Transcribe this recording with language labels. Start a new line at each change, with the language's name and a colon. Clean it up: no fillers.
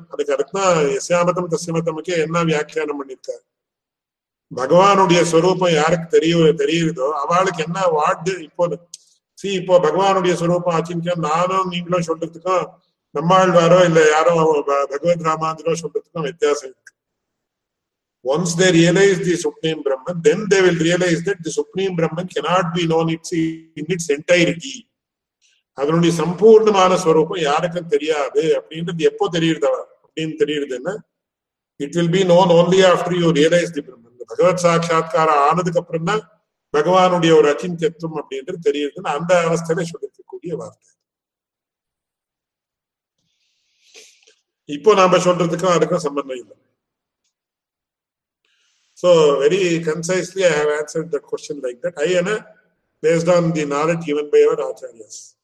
Tamil: அதுக்கு அர்த்தம் எஸ்யாமதம் தஸ்யமதம்க்கு என்ன வியாக்கியானம் பண்ணிருக்காரு, பகவானுடைய ஸ்வரூபம் யாருக்கு தெரியுதோ அவளுக்கு என்ன வார்ட். இப்போ இப்போ பகவானுடைய ஸ்வரூபம் அச்சிந்தியம் நானும் நீங்களும் சொல்றதுக்கும் நம்மாழ்வாரோ இல்ல யாரோ பகவத் ராமாந்திரோ சொல்றதுக்கும் வித்தியாசம் இருக்கு.
English: Once they realize the Supreme Brahman, then they will realize that the Supreme Brahman cannot be known in its entirety.
Tamil: அதனுடைய சம்பூர்ணமான ஸ்வரூபம் யாருக்கும் தெரியாது அப்படின்றது எப்போ தெரியுதா அப்படின்னு தெரியுதுன்னா,
English: It will be known only after you realise the Brahman.
Tamil: பகவத் சாட்சா்காரம் ஆனதுக்கு அப்புறம் தான் பகவானுடைய ஒரு அச்சிந்தியத்துவம் அப்படின்றது தெரியுதுன்னு அந்த அவஸ்தையில சொல்லிருக்கக்கூடிய வார்த்தை. இப்போ நாம சொல்றதுக்கும் அதுக்கும் சம்பந்தம் இல்லை.
English: So very concisely, I have answered the question like that. I am based on the knowledge given by our acharyas.